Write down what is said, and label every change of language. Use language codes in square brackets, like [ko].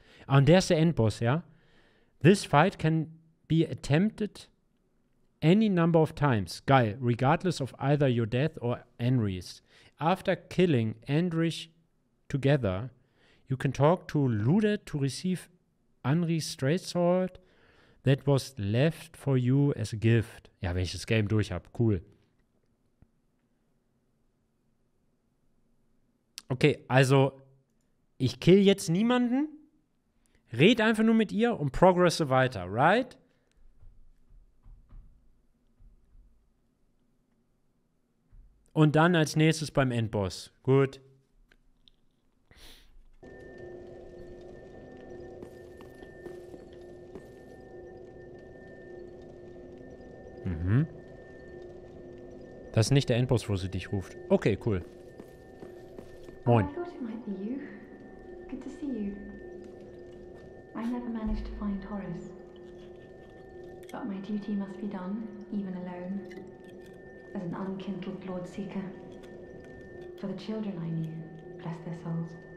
[de] Und der ist der Endboss, ja? [en] This fight can be attempted any number of times. [de] Geil. [en] Regardless of either your death or Henry's. After killing Andrich together, you can talk to Lude to receive Anri's straight sword that was left for you as a gift. [de] Ja, wenn ich das Game durch habe, cool. Okay, also, ich kill jetzt niemanden, red einfach nur mit ihr und progresse weiter, right? Und dann als nächstes beim Endboss. Gut. Mhm. Das ist nicht der Endboss, wo sie dich ruft. Okay, cool. Moin. Ich dachte, es könnte du sein. Gut, dich zu sehen. Ich habe nie geschafft, Horus zu finden. Aber meine Aufgabe muss getan werden, selbst allein. [en] As an unkindled Lord Seeker. For the children I knew, bless their souls.